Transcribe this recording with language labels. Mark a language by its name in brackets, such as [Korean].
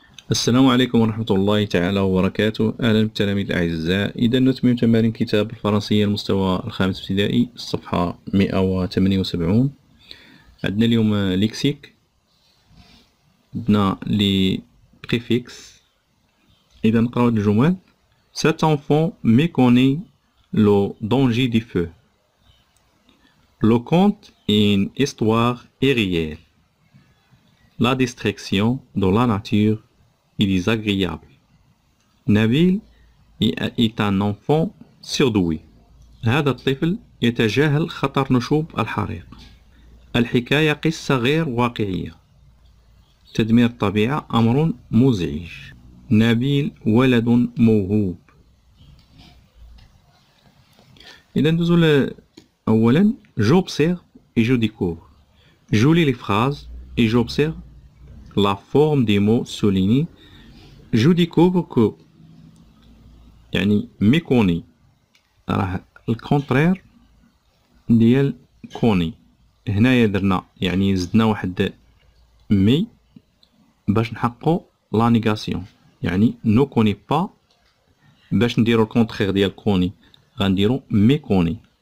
[Arabic] السلام عليكم ورحمة الله تعالى وبركاته. أهلا بالتلاميذ الأعزاء. إذا نتمم تمارين كتاب الفرنسية المستوى الخامس ابتدائي الصفحة 178. عندنا اليوم ليكسيك، عندنا لي بريفيكس. إذا نقرأ الجمل. [French] Cet enfant méconnaît le danger du feu. Le conte est une histoire irréelle. La distraction de la nature est désagréable. Nabil est un enfant surdoué. [Arabic] هذا الطفل يتجاهل خطر نشوب الحريق. الحكاية قصة غير واقعية. تدمير الطبيعة أمر مزعج. نبيل ولد موهوب. إذا ندوزو أولا، [French] j'observe et je découvre. Je lis les phrases et j'observe la forme des mots soulignés. Je découvre que [Arabic] يعني méconnu راه الكونترير ديال كوني. هنايا درنا يعني زدنا واحد مي باش نحققوا لا نيغاسيون، يعني نو كوني با باش نديروا الكونترير ديال كوني غنديروا ميكوني.